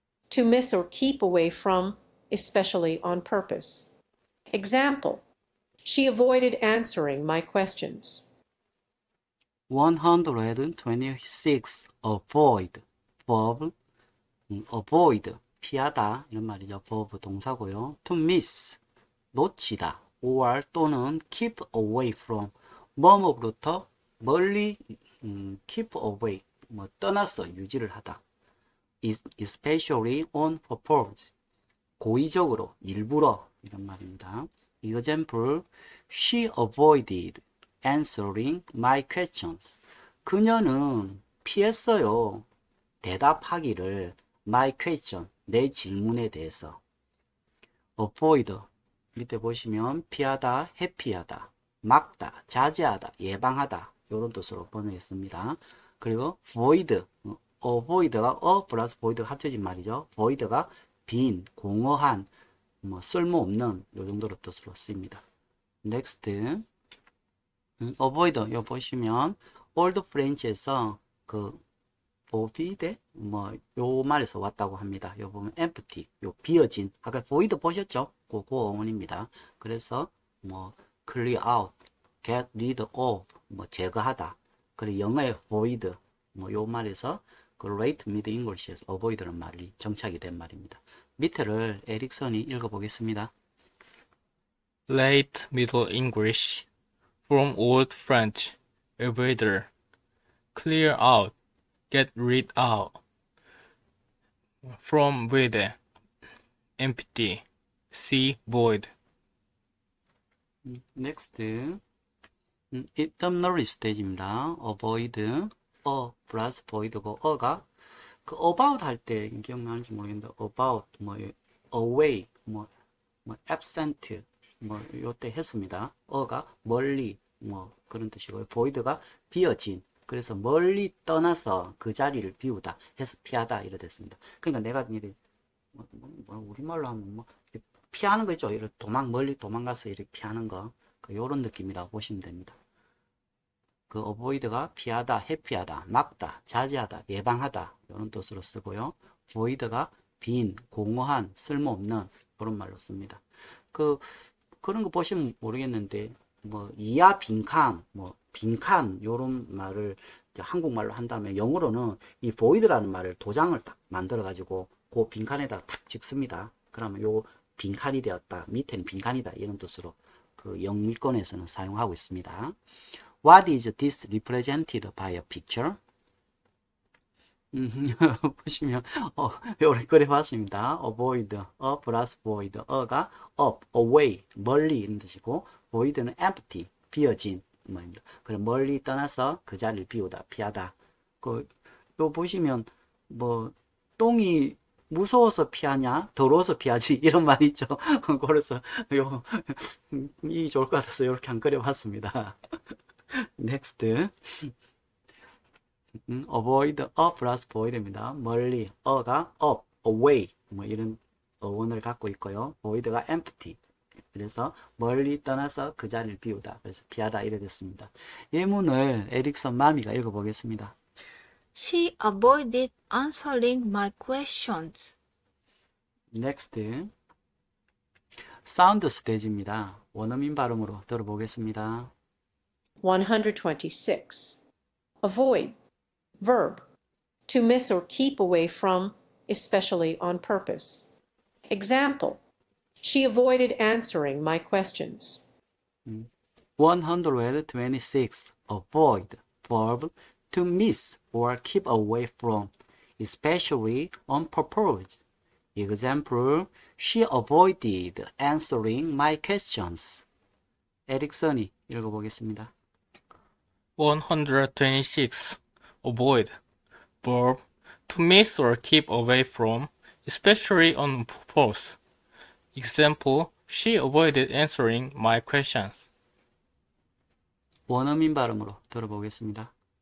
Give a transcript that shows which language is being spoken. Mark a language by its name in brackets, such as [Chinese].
[English] To miss or keep away from, especially on purpose. Example. She avoided answering my questions. [Korean] 126, [English] avoid, verb, avoid, [Korean] 피하다, 이런 말이죠. verb, 동사고요. [English] to miss, [Korean] 놓치다, or 또는 [English] keep away from, [Korean] 뭐뭐부터 멀리, keep away, 뭐 떠나서 유지를 하다. [English] especially on purpose, [Korean] 고의적으로, 일부러, 이런 말입니다. [English] example, she avoided answering my questions. [Korean] 그녀는 피했어요. 대답하기를 [English] my question, [Korean] 내 질문에 대해서. avoid, 밑에 보시면 피하다, 회피하다, 막다, 자제하다, 예방하다 이런 뜻으로 번역했습니다. 그리고 void, avoid가 plus void 합쳐진 말이죠. void가 빈, 공허한, 뭐 쓸모없는 요 정도로 뜻으로 씁니다. next, avoid, 요 보시면 올드 프렌치에서 그 보비데 뭐요 말에서 왔다고 합니다. 요 보면 empty, 요 비어진 아까 void 보셨죠? 그거 원입니다. 그래서 뭐 [English] clear out, get rid of, [Korean] 뭐 제거하다. 그리고 영어의 void, 뭐요 말에서 그 [English] late mid English [Korean] 에서 avoid란 말이 정착이 된 말입니다. 밑에를 에릭슨이 읽어보겠습니다. [English] Late Middle English from Old French, avoider, clear out, get rid of, from vide, empty, see void. [Korean] Next, it ternary stage입니다. avoid, a plus void고, a가, 그 about 할 때, 기억나는지 모르겠는데, about, 뭐, away, 뭐, absent, 뭐, 요때 했습니다. a가 멀리, 뭐, 그런 뜻이고요. void가 비어진. 그래서 멀리 떠나서 그 자리를 비우다, 해서 피하다, 이래 됐습니다. 그러니까 내가, 우리말로 하면, 뭐, 피하는 거 있죠. 이렇게 도망, 멀리 도망가서 이렇게 피하는 거. 요런 느낌이라고 보시면 됩니다. 그 avoid가 피하다, 회피하다, 막다, 자제하다, 예방하다 이런 뜻으로 쓰고요. void가 빈, 공허한, 쓸모없는 그런 말로 씁니다. 그런 거 보시면 모르겠는데 뭐 이하 빈칸, 뭐 빈칸 요런 말을 한국말로 한다면 영어로는 이 void라는 말을 도장을 딱 만들어 가지고 그 빈칸에다 탁 찍습니다. 그러면 요 빈칸이 되었다, 밑에는 빈칸이다 이런 뜻으로 그 영미권에서는 사용하고 있습니다. [English] What is this represented by a picture? [Korean] 보시면 요렇게 그려봤습니다. avoid, [English] a plus void, [Korean] a가 [English] up, away, [Korean] 멀리 이런 뜻이고 void는 empty, 비어진 말입니다. 그럼 멀리 떠나서 그 자리를 비우다, 피하다. 요 보시면 뭐 똥이 무서워서 피하냐? 더러워서 피하지? 이런 말 있죠. 그래서 요, 이 좋을 것 같아서 이렇게 한 그려봤습니다. [English] Next. [Korean] Avoid, a plus void입니다. 멀리, a가 up, away. 뭐 이런 어원을 갖고 있고요. void가 empty. 그래서 멀리 떠나서 그 자리를 비우다. 그래서 피하다. 이래 됐습니다. 예문을 에릭슨 마미가 읽어보겠습니다. [English] She avoided answering my questions. [Korean] Next, 사운드 스테이지입니다. 원어민 발음으로 들어보겠습니다. [English] 126. Avoid. Verb. To miss or keep away from, especially on purpose. Example. She avoided answering my questions. 126. Avoid verb to miss or keep away from, especially on purpose. Example, she avoided answering my questions. [Korean] 에릭슨이 읽어보겠습니다. [English] 126. Avoid. Verb. To miss or keep away from, especially on purpose. Example. She avoided answering my questions. [Korean] 원어민 발음으로 들어보겠습니다.